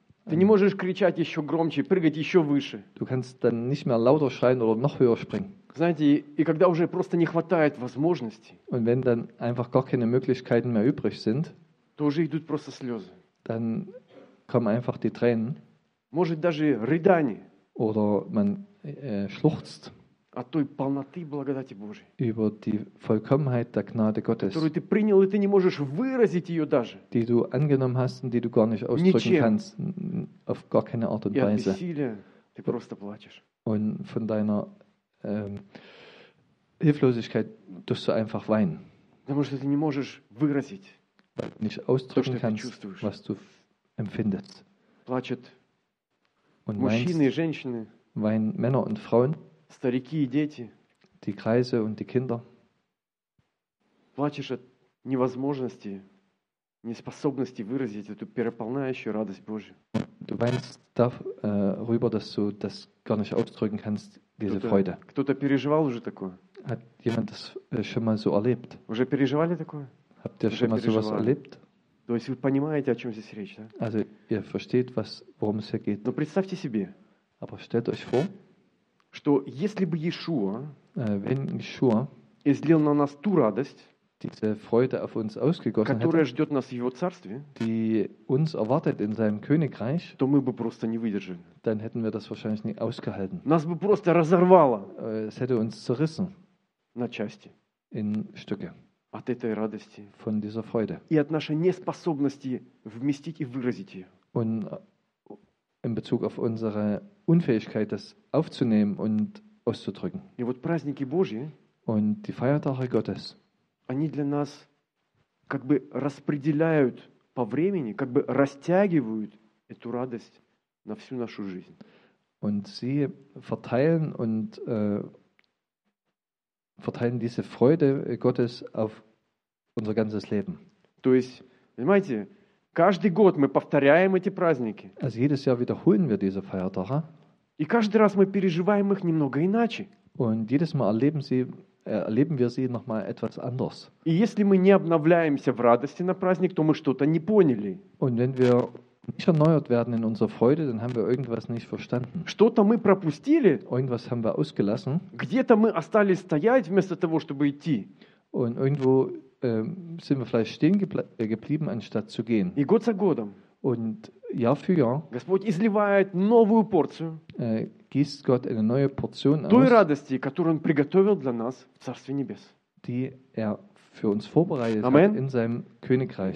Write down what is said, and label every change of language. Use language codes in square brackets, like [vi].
[ru] Ты не можешь кричать еще громче, прыгать еще выше. [de] Du kannst dann nicht mehr lauter schreien oder noch höher springen. [ru] Знаете, и когда уже просто не хватает возможностей, [de] und wenn dann einfach gar keine Möglichkeiten mehr übrig sind, [ru] то уже идут просто слезы. [de] Dann kommen einfach die Tränen. [ru] Может даже рыдание. [de] Oder man schluchzt. [ru] От той полноты благодати Божьей. [de] Über die Vollkommenheit der Gnade Gottes. [ru] Которую ты принял, и ты не можешь выразить ее даже. [de] Die du angenommen hast und die du gar nicht ausdrücken [ru] ничем. [de] Kannst. Auf gar keine Art und [ru] и [de] Weise. [ru] От бессилия ты просто плачешь. [de] Und von deiner Hilflosigkeit tust du einfach weinen. [ru] Потому что ты не можешь выразить. [de] Weil du nicht ausdrücken kannst, was du empfindest. [ru] Плачут мужчины и женщины. [de] Weinen Männer und Frauen. [ru] Старики и дети. [de] Die Greise und die Kinder. [ru] Плачешь от невозможности, неспособности выразить эту переполняющую радость Божию. [de] Du weinst darüber, dass du das gar nicht ausdrücken kannst, diese Freude. [ru] Кто-то переживал уже такое? [de] Hat jemand das schon mal so erlebt? [ru] Уже переживали такое? [de] Habt ihr schon mal sowas erlebt? [ru] То есть вы понимаете, о чем здесь речь, да? [de] Also ihr versteht, worum es hier geht. [ru] Но представьте себе. [de] Aber stellt euch vor, [ru] что если бы Иешуа, [de] wenn Иешуа [ru] излил на нас ту радость, [de] diese Freude auf uns ausgegossen [ru] которая [de] hätte, [ru] ждет нас в его царстве, [de] die uns erwartet in seinem Königreich, [ru] то мы бы просто не выдержали. [de] Dann hätten wir das wahrscheinlich nicht ausgehalten. [ru] Нас бы просто разорвало. [de] Es hätte uns zerrissen. [ru] На части. [de] In Stücke. [ru] От этой радости. [de] Von dieser Freude. [ru] И от нашей неспособности вместить и выразить ее. [de] Und in Bezug auf unsere Unfähigkeit, das aufzunehmen und auszudrücken. [ru] И вот праздники Божьи, [de] und die Feiertage Gottes, [ru] они для нас как бы распределяют по времени, как бы растягивают эту радость на всю нашу жизнь. [de] Und sie verteilen und verteilen diese Freude Gottes auf unser ganzes Leben. [ru] То есть, понимаете, каждый год мы повторяем эти праздники. [de] Also jedes Jahr wiederholen wir diese Feiertage. [ru] И каждый раз мы переживаем их немного иначе. [de] Und jedes Mal erleben wir sie noch mal etwas anders. [ru] И если мы не обновляемся в радости на праздник, то мы что-то не поняли. [de] Und wenn wir nicht erneuert werden in unserer Freude, dann haben wir irgendwas nicht verstanden. [ru] Что-то мы пропустили. [de] Irgendwas haben wir ausgelassen. [ru] Где-то мы остались стоять вместо того, чтобы идти. [de] Und irgendwo sind wir vielleicht stehen geblieben, anstatt zu gehen. [ru] И год за годом. [de] Und Jahr für Jahr. [ru] Господь изливает новую порцию. [de] Gießt Gott eine neue Portion aus. [ru] Той радости, которую Он приготовил для нас в Царстве Небес. [de] die er für uns vorbereitet Amen. Hat in seinem Königreich.